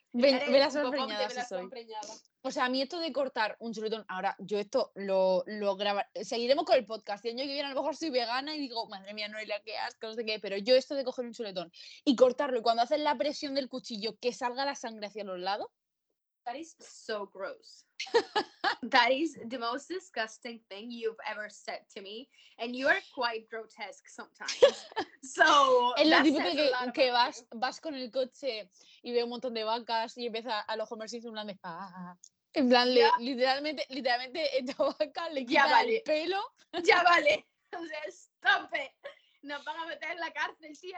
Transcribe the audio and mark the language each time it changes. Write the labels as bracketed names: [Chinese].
[Spanish] Velas sonpreñada. O sea, a mí esto de cortar un chuletón, ahora yo esto lo grabar, seguiremos con el podcast. Y el año que viene a lo mejor soy vegana y digo, madre mía, Noelia, qué asco, no sé qué. Pero yo esto de coger un chuletón y cortarlo, y cuando haces la presión del cuchillo, que salga la sangre hacia los lados. [English] That is so gross. That is the most disgusting thing you've ever said to me. And you are quite grotesque sometimes. So, [Spanish] es lo típico que vas con el coche y ve un montón de vacas y empieza a los Homer Simpson en plan de... Ah. En plan, [English] yeah. [Spanish] literalmente esta vaca le quita el pelo. Ya vale. O sea, [English] stop it. [Spanish] Nos van a meter en la cárcel, tía.